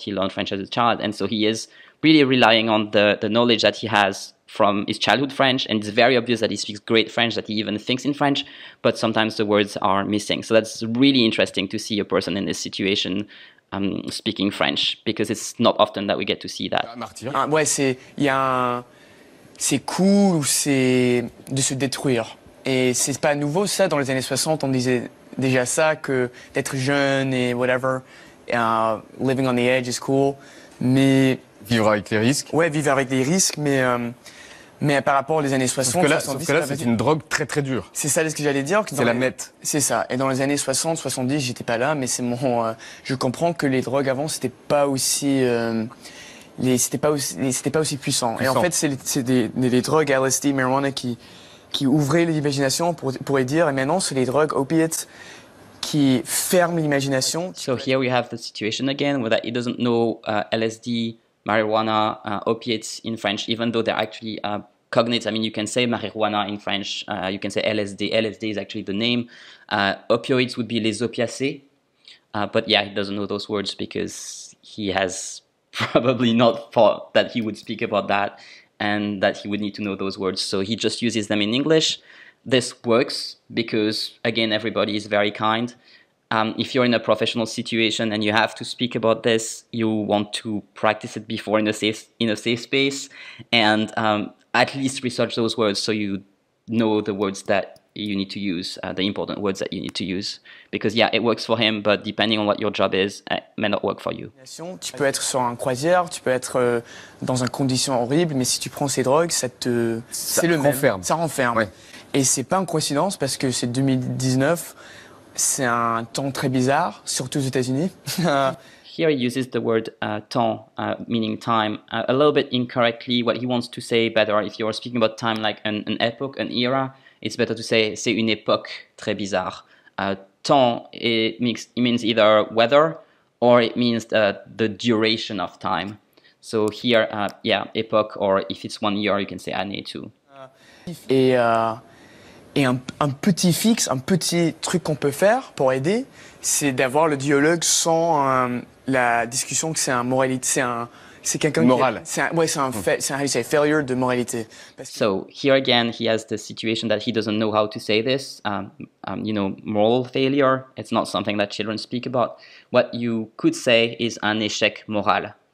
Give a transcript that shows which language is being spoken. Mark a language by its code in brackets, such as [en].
[en] He learned French as a child. And so he is really relying on the knowledge that he has from his childhood French. And it's very obvious that he speaks great French, that he even thinks in French, but sometimes the words are missing. So that's really interesting to see a person in this situation speaking French, because it's not often that we get to see that. [fr] Ouais, c'est, y a un, c'est cool ou c'est de se détruire. Et c'est pas nouveau ça, dans les années 60, on disait déjà ça, que d'être jeune et [en] whatever, living on the edge is cool, [fr] mais... Vivre avec les risques. Ouais, vivre avec les risques, mais par rapport aux années 60, sauf que là, 70, sauf que là c'est une drogue très très dure. C'est ça ce que j'allais dire. C'est la meth. C'est ça. Et dans les années 60, 70, j'étais pas là, mais c'est mon. Je comprends que les drogues avant, c'était pas aussi. C'était pas aussi puissant. Et en fait, c'est des drogues LSD, marijuana, qui ouvraient l'imagination, pourrait dire. Et maintenant, c'est les drogues opiates qui ferment l'imagination. [en] So here we have the situation again, where he doesn't know LSD. Marijuana, opiates in French, even though they're actually cognates. I mean, you can say marijuana in French, you can say LSD. LSD is actually the name. Opioids would be les opiacés. But yeah, he doesn't know those words because he has probably not thought that he would speak about that and that he would need to know those words. So he just uses them in English. This works because, again, everybody is very kind. If you're in a professional situation and you have to speak about this, you want to practice it before in a safe space and at least research those words so you know the words that you need to use, the important words that you need to use. Because yeah, it works for him, but depending on what your job is, it may not work for you. [fr] Tu peux être sur un croisière, tu peux être dans une condition horrible, mais si tu prends ces drogues, ça te... C'est le renferme. Ça renferme. Ouais. Et c'est pas une coïncidence parce que c'est 2019, c'est un temps très bizarre, surtout aux États-Unis. [en] Here he uses the word temps, meaning time, a little bit incorrectly. What he wants to say better, if you're speaking about time like an epoch, an era, it's better to say [fr] c'est une époque très bizarre. [en] Temps, it means either weather or it means the duration of time. So here, yeah, époque, or if it's 1 year, you can say année too. [fr] Et un petit fixe, un petit truc qu'on peut faire pour aider, c'est d'avoir le dialogue sans la discussion que c'est un moralité, c'est quelqu'un de moral. C'est un failure de moralité. [en] So here again, he has the situation that he doesn't know how to say this. You know, moral failure. It's not something that children speak about. What you could say is [fr] un échec moral.